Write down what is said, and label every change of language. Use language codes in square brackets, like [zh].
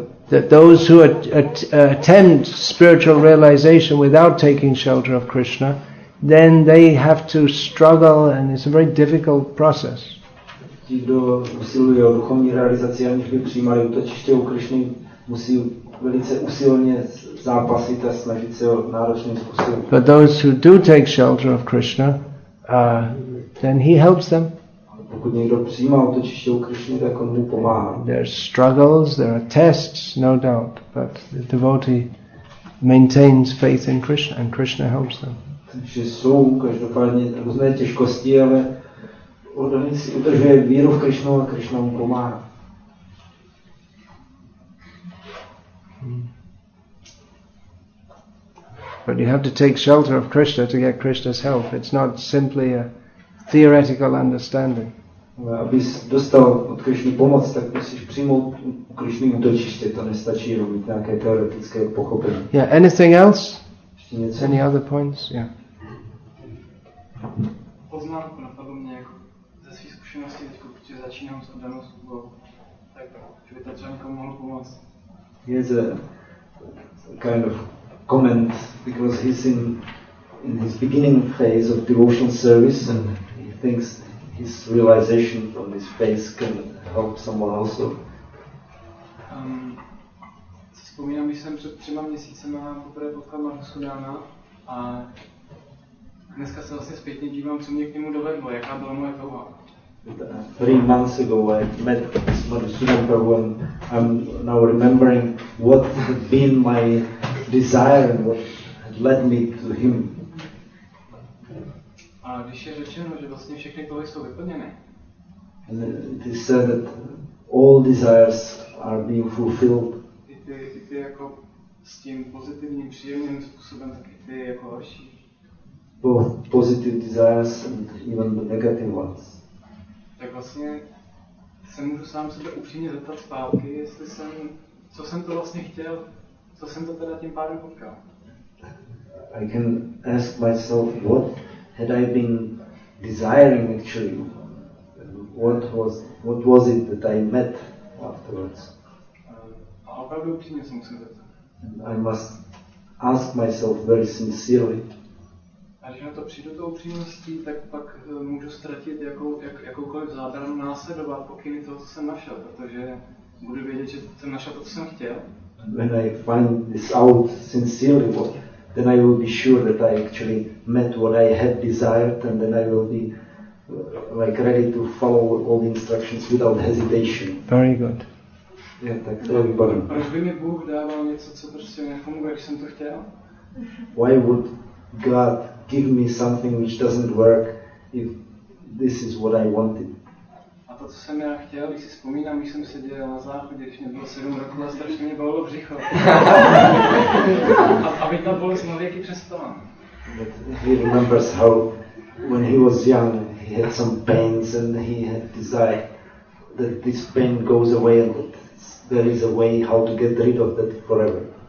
[en] That those who attempt spiritual realization without taking shelter of Krishna, then they have to struggle, and it's a very difficult process. [cs] Ti, kdo usilují o duchovní realizaci, aniž by přijímali útočiště u Krišny, musí velice usilně zápasit a snažit se o náročným způsobem. [en] But those who do take shelter of Krishna, then he helps them. [cs] Pokud někdo přijímá útočiště u Krišny, tak on mu pomáhá. [en] There are struggles, there are tests, no doubt, but the devotee maintains faith in Krishna, and Krishna helps them. [cs] Takže jsou každopádně různé těžkosti, ale oddaný si udržuje víru v Krišnu a Krišna mu pomáhá. [en] But you have to take shelter of Krishna to get Krishna's help. It's not simply a theoretical understanding. [cs] Abys dostal od Krišny pomoc, tak musíš přijmout Krišný útočiště. To nestačí jenom mít nějaké teoretické pochopení. [en] Yeah, anything else? [cs] Ještě něco? [en] Any other points? Yeah. [cs] Poznámku napadlo mě jako ze svých zkušeností, teď když začínám s oddanou službou, tak že by ta dřanka mohla pomoct. [en] Here's a kind of comment, because he's in his beginning phase of devotional service and he thinks his realization from this phase can help someone also. [cs] Si vzpomínám, když jsem před třema měsícema poprvé potkal Mahasudana a dneska se vlastně zpětně dívám, co mě k němu dovedlo, jaká byla moje touha. [en] 3 months ago I met Madhusudana Prabhu and I'm now remembering what had been my desire and what had led me to him. [cs] A když je řečeno, že vlastně všechny touhy jsou vyplněné. [en] And it is said that all desires are being fulfilled. [cs] I ty jako s tím pozitivním, příjemným způsobem, tak i ty jako horší. [en] Both positive desires and even the negative ones. [cs] Tak vlastně se můžu sám sebe upřímně zeptat zpátky, jestli jsem, co jsem to vlastně chtěl, co jsem to teda tím pádem potkal. [en] I can ask myself, what had I been desiring actually? What was it that I met afterwards? [cs] A opravdu upřímně se musím zeptat. [en] I must ask myself very sincerely. [cs] A když na to přijdu do upřímností, tak pak můžu ztratit jakoukoliv zábranu následovat pokyny toho, co jsem našel, protože budu vědět, že jsem našel to, co jsem chtěl. [en] And when I find this out sincerely, then I will be sure that I actually met what I had desired, and then I will be like ready to follow all the instructions without hesitation. Very good. [cs] Yeah, tak to je výborné. Proč by mi Bůh dával něco, co prostě nefunguje, když jsem to chtěl? [en] Why would God give me something which doesn't work if this is what I wanted? [cs] A to, co jsem já chtěl, když si vzpomínám, když jsem seděl na záchodě, když mě bylo 7 roků a strašně mě bolelo břicho. Aby ta bolest na věky přestala. [en] But he remembers how when he was young he had some pains and he had desire that this pain goes away and that there is a way how to get rid of that forever.